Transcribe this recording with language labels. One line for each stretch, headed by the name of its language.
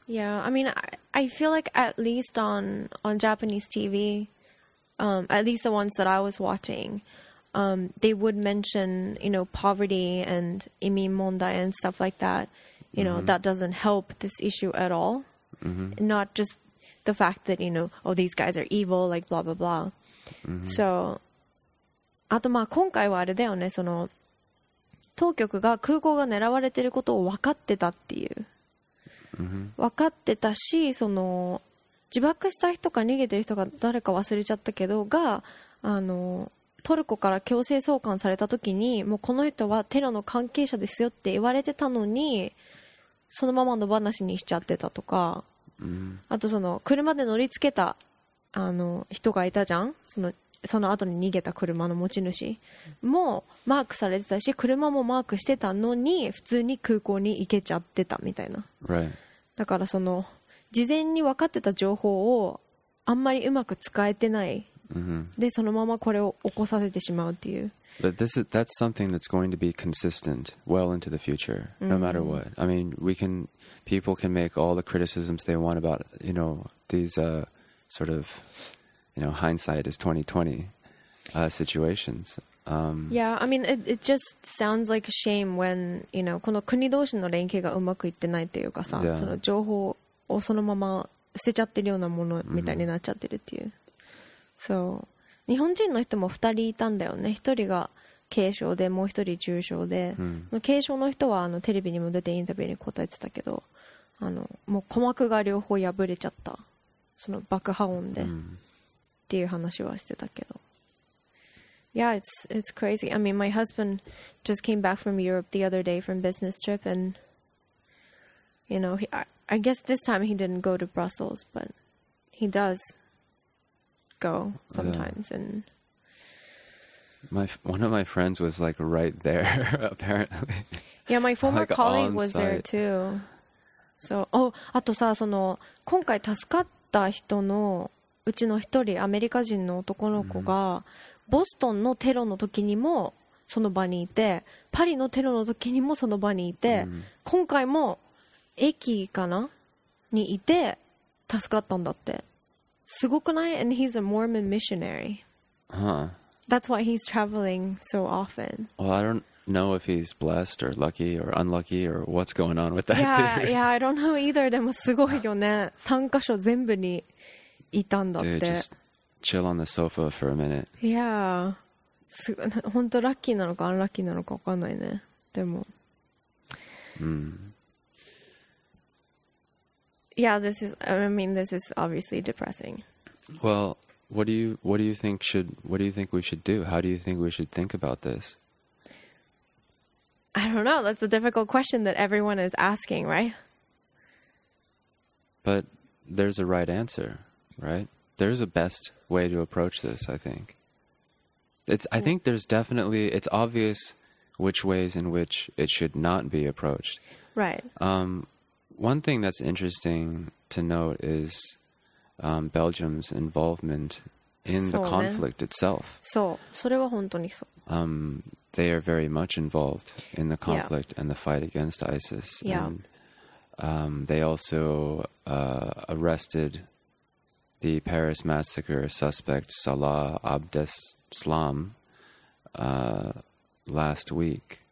English: Yeah, I mean, I feel like at least on Japanese TV, at least the ones that I was watching, they would mention, you know, poverty and imi mondai and stuff like that. You know, that doesn't help this issue at all. Mm-hmm. Not just the fact that, you know, oh, these guys are evil, like blah, blah, blah. Mm-hmm.
Japanese: So, あとまあ今回はあれだよね、その当局が空港が狙われてることを分かってたっていう、分かってたし、その自爆した人か逃げてる人が誰か忘れちゃったけどが、あのトルコから強制送還された時にもうこの人はテロの関係者ですよって言われてたのに、そのまま野放しにしちゃってたとか、あとその車で乗りつけたあの人がいたじゃん、その後に逃げた車の持ち主もマークされてたし、車もマークしてたのに普通に空港に行けちゃってたみたいな、
English: right.
Japanese: だからその事前に分かってた情報をあんまりうまく使えてない、
English: mm-hmm.
Japanese: でそのままこれを起こさせてしまうっていう。
English: But that's something that's going to be consistent well into the future, no matter what. I mean, people can make all the criticisms they want about, you know, these sort of, you know, hindsight is 2020 situations. Yeah, I mean, it just sounds like a shame when, you know,
Japanese: この国同士の連携がうまくいってないっていうかさ、
English: yeah.
Japanese: その情報をそのまま捨てちゃってるようなものみたいになっちゃってるっていう。 So, 日本人の人も二人いたんだよね。一人が軽症で、もう一人重症で。
English: Mm.
Japanese: 軽症の人はあのテレビにも出てインタビューに答えてたけど、あのもう鼓膜が両方破れちゃった。その爆破音で。
English: Mm.
Japanese: っていう話はしてたけど、
English: Yeah, it's crazy. I mean, my husband just came back from Europe the other day from business trip, and you know, I guess this time he didn't go to Brussels, but he does go sometimes. Yeah. And one of my friends was like right there, apparently. Yeah, my former like colleague was there too.
Japanese: So, oh, あとさ、その今回助かった人のうちの一人アメリカ人の男の子が。
English: Mm-hmm.
Japanese: ボストンのテロの時にもその場にいて、パリのテロの時にもその場にいて、今回も駅かなにいて助かったんだって。すごくない?
English: And he's a Mormon missionary. Huh. That's why he's traveling so often. Well, I don't know if he's blessed or lucky or unlucky or what's going on with that. Yeah, I don't know either.
Japanese: でもすごいよね。 3カ所全部にいたんだって。
English: Chill on the sofa for a minute. Yeah.
Japanese: すごい、本当ラッキーなのかアンラッキーなのか分かんないね。でも。
English: Yeah, this is obviously depressing. Well, what do you think we should do? How do you think we should think about this? I don't know. That's a difficult question that everyone is asking, right? But there's a right answer, right? There's a best way to approach this, I think. It's obvious which ways in which it should not be approached. Right. One thing that's interesting to note is Belgium's involvement in the conflict itself.
Japanese: So, それは本当にそう。
English: They are very much involved in the conflict and the fight against ISIS. Yeah. And, they also arrested the Paris massacre suspect Salah Abdeslam last week.